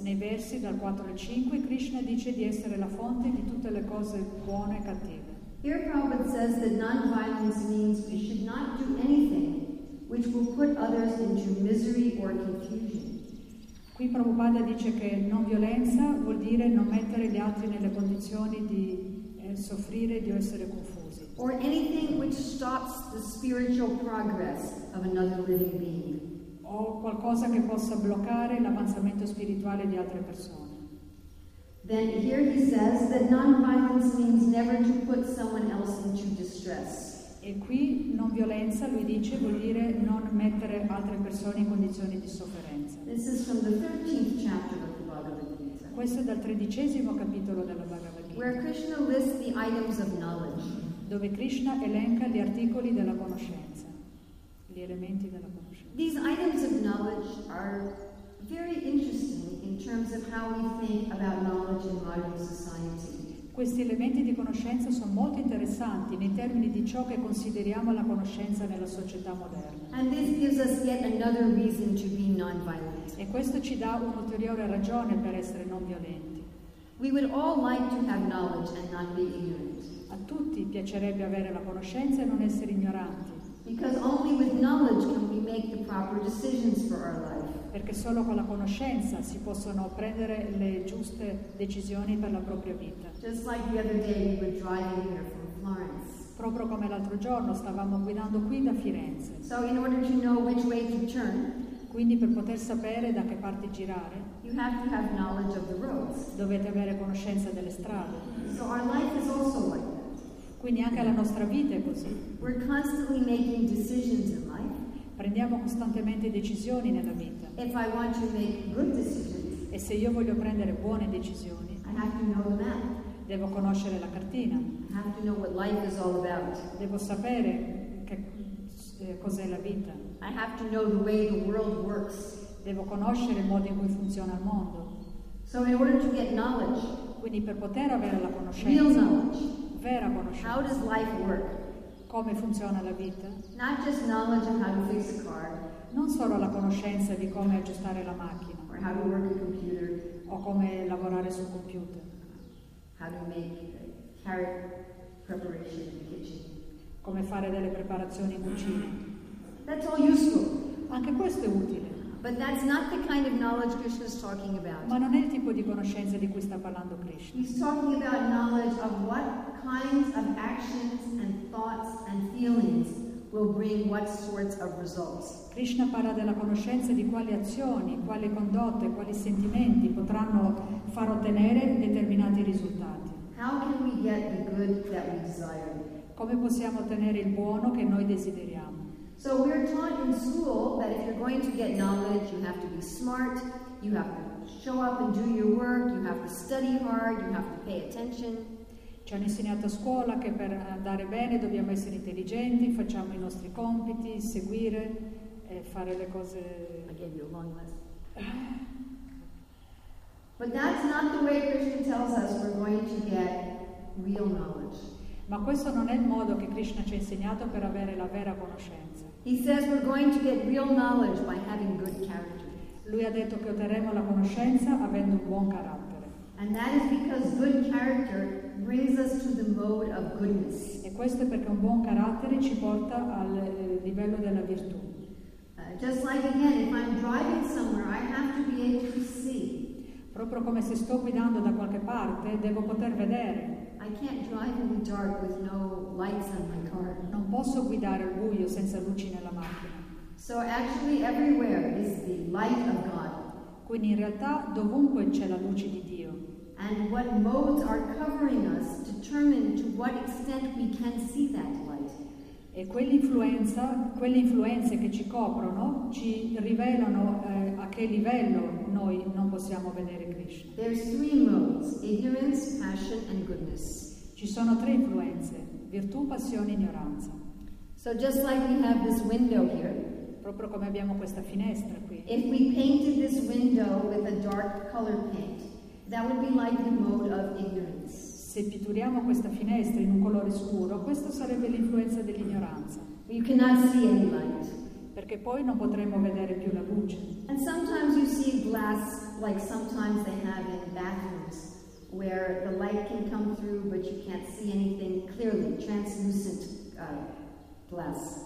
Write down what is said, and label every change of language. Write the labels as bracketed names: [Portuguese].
[Italian] Nei versi dal 4 al 5, Krishna dice di essere la fonte di tutte le cose buone e cattive. [English] Here Prabhupada says that non-violence means we should not do anything which will put others into misery or confusion. [Italian] Qui Prabhupada dice che non violenza vuol dire non mettere gli altri nelle condizioni di soffrire, di essere confusi. [English] Or anything which stops the spiritual progress of another living being. [Italian] O qualcosa che possa bloccare l'avanzamento spirituale di altre persone. [English] Then here he says that non-violence means never to put someone else into distress. [Italian] E qui non violenza, lui dice, vuol dire non mettere altre persone in condizioni di sofferenza. [English] This is from the 13th chapter of the Bhagavad Gita. [Italian] Questo è dal 13° capitolo della Bhagavad Gita. [English] where Krishna lists the items of knowledge, [Italian] dove Krishna elenca gli articoli della conoscenza, gli elementi della conoscenza. [English] These items of knowledge are very interesting in terms of how we think about knowledge in modern society. [Italian] Questi elementi di conoscenza sono molto interessanti nei termini di ciò che consideriamo la conoscenza nella società moderna. [English] And this gives us yet another reason to be non-violent. [Italian] E questo ci dà un'ulteriore ragione per essere non violenti. [English] We would all like to have knowledge and not be ignorant. [Italian] A tutti piacerebbe avere la conoscenza e non essere ignoranti. [English] Because only with knowledge can we make the proper decisions for our life. [Italian] Perché solo con la conoscenza si possono prendere le giuste decisioni per la propria vita. [English] Just like the other day we were driving here from Florence. [Italian] Proprio come l'altro giorno stavamo guidando qui da Firenze. [English] So in order to know which way to turn, [Italian] quindi per poter sapere da che parte girare, [English] you have to have knowledge of the roads. [Italian] Dovete avere conoscenza delle strade. [English] So our life is also like that. [Italian] Quindi anche la nostra vita è così. [English] We're constantly making decisions in life. [Italian] Prendiamo costantemente decisioni nella vita. [English] If I want to make good decisions, [Italian] e se io voglio prendere buone decisioni, [English] I have to know the map. [Italian] Devo conoscere la cartina. [English] I have to know what life is all about. [Italian] Devo sapere che cos'è la vita. [English] I have to know the way the world works. [Italian] Devo conoscere il modo in cui funziona il mondo. [English] So in order to get knowledge, [Italian] quindi per poter avere la conoscenza, [English] real knowledge, [Italian] vera conoscenza, [English] how does life work? [Italian] Come funziona la vita? [English] Not just knowledge of how to fix a car, [Italian] non solo la conoscenza di come aggiustare la macchina, [English] or how to work a computer, [Italian] o come lavorare sul computer, [English] how to make carrot preparation in the kitchen, [Italian] come fare delle preparazioni in cucina. [English] That's all useful. [Italian] Anche questo è utile. [English] But that's not the kind of knowledge Krishna is talking about. [Italian] Ma non è il tipo di conoscenza di cui sta parlando Krishna. [English] He's talking about knowledge of what kinds of actions and thoughts and feelings will bring what sorts of results. [Italian] Krishna parla della conoscenza di quali azioni, quali condotte, quali sentimenti potranno far ottenere determinati risultati. [English] How can we get the good that we desire? [Italian] Come possiamo ottenere il buono che noi desideriamo? [English] So we're taught in school that if you're going to get knowledge, you have to be smart, you have to show up and do your work, you have to study hard, you have to pay attention. [Italian] Ci hanno insegnato a scuola che per andare bene dobbiamo essere intelligenti, facciamo i nostri compiti, seguire e fare le cose. [English] I gave you a long list. But that's not the way Krishna tells us we're going to get real knowledge. [Italian] Ma questo non è il modo che Krishna ci ha insegnato per avere la vera conoscenza. [English] He says we're going to get real knowledge by having good character. [Italian] Lui ha detto che otterremo la conoscenza avendo un buon carattere. [English] And that is because good character brings us to the mode of goodness. [Italian] E questo è perché un buon carattere ci porta al livello della virtù. [English] Just like again, if I'm driving somewhere, I have to be able to see. [Italian] Proprio come se sto guidando da qualche parte, devo poter vedere. [English] I can't drive in the dark with no lights on my car. [Italian] Non posso guidare al buio senza luci nella macchina. [English] So actually everywhere is the light of God. [Italian] Quindi in realtà dovunque c'è la luce di Dio. [English] And what modes are covering us determine to what extent we can see that light. [Italian] E quelle influenze che ci coprono ci rivelano a che livello noi non possiamo vedere Krishna. [English] There's three modes: ignorance, passion and goodness. [Italian] Ci sono tre influenze: virtù, passione, ignoranza. [English] So just like we have this window here, [Italian] proprio come abbiamo questa finestra qui. [English] If we painted this window with a dark color paint, that would be like the mode of ignorance. [Italian] Se pitturiamo questa finestra in un colore scuro, questa sarebbe l'influenza dell'ignoranza. [English] You cannot see any light. [Italian] Perché poi non potremmo vedere più la luce. [English] And sometimes you see glass like sometimes they have in bathrooms, where the light can come through but you can't see anything clearly, translucent glass.